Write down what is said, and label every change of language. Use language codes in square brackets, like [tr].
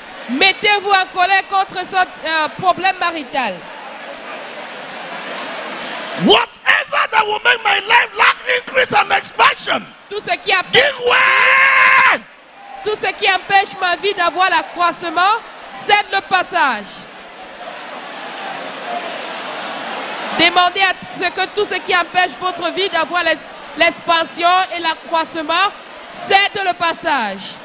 [fr] Mettez-vous en colère contre ce problème marital. [en] Whatever that will make my life lack increase and expansion. [fr] Tout ce qui empêche, [en] give way! [fr] Tout ce qui empêche ma vie d'avoir l'accroissement, cède le passage. Demandez à ce que tout ce qui empêche votre vie d'avoir l'expansion et l'accroissement, cède le passage.